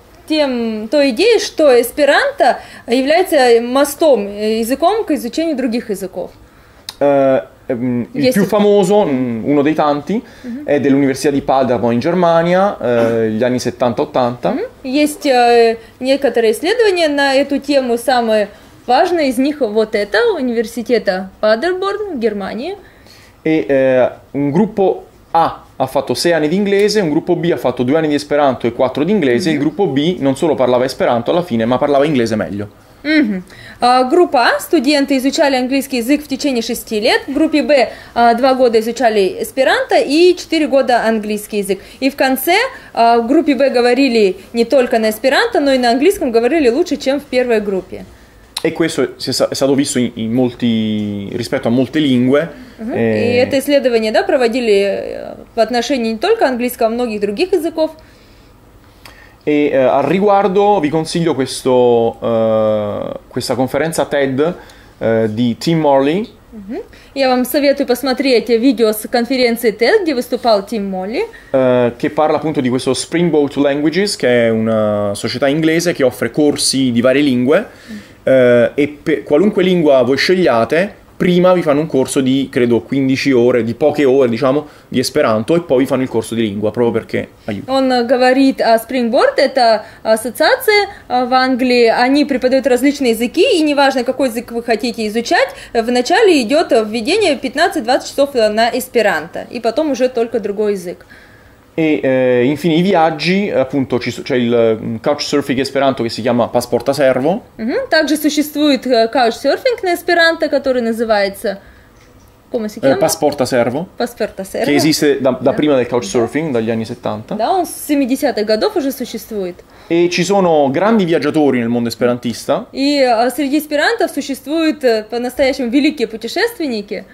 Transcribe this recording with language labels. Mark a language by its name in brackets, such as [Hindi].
[Russian] Той идеей, что эсперанто является мостом, языком к изучению других языков. [Italian] Il più famoso, uno dei tanti, è dell'Università di Paderborn in Germania, gli anni 70-80. [Russian] Есть некоторые исследования на эту тему, самое важное из них вот это, Университета Paderborn в Германии. [Italian] E un gruppo A ha fatto 6 anni di inglese, un gruppo B ha fatto 2 anni di esperanto e 4 di inglese, il gruppo B non solo parlava esperanto alla fine, ma parlava inglese meglio. [Russian] Группа А, студенты изучали английский язык в течение 6 лет, в группе Б 2 года изучали эсперанто и 4 года английский язык. И в конце в группе Б говорили не только на эсперанто, но и на английском говорили лучше, чем в первой группе. [Italian] E questo è stato visto in molti rispetto a molte lingue. [Russian] И это исследование, да, проводили в отношении не только английского, а многих других языков. [Italian] E al riguardo vi consiglio questa conferenza TED di Tim Morley. [Russian] Я вам советую посмотреть видео с конференции TED, где выступал Тим Молли. [Italian] Che parla appunto di questo Springboard Languages, che è una società inglese che offre corsi di varie lingue. E qualunque lingua voi scegliate, prima vi fanno un corso di, credo, 15 ore, di poche ore, diciamo, di esperanto, e poi vi fanno il corso di lingua, proprio perché aiuta. [Russian] Он говорит о Springboard, это ассоциация в Англии, они преподают различные языки, и неважно, какой язык вы хотите изучать, вначале идет введение 15-20 часов на эсперанто, и потом уже только другой язык. [Italian] E infine i viaggi, appunto c'è il couchsurfing esperanto che si chiama Passporta Servo. [Russian] Также существует couchsurfing на эсперанто, который называется, [Italian] come si chiama? [Esperanto] Passporta Servo. Passporta Servo. [Italian] Che esiste da prima del couchsurfing, dagli anni 70. [Russian] Да, он с 70-х годов уже существует. [Italian] E ci sono grandi viaggiatori nel mondo esperantista. [Russian] И среди эсперантов существуют по-настоящему великие путешественники.